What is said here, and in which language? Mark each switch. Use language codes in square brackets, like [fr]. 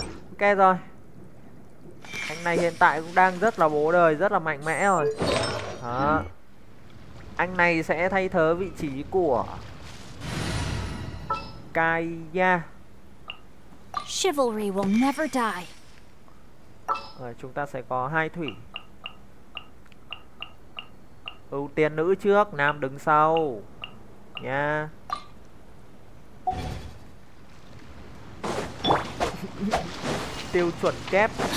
[vi] Ok rồi. Anh này hiện tại cũng đang rất là bố đời, rất là mạnh mẽ rồi. Đó. Anh này sẽ thay thế vị trí của Kaya. [en] Chivalry will never die. [vi] Rồi, chúng ta sẽ có hai thủy. Ưu tiên nữ trước, nam đứng sau. Nha. Tiêu chuẩn kép.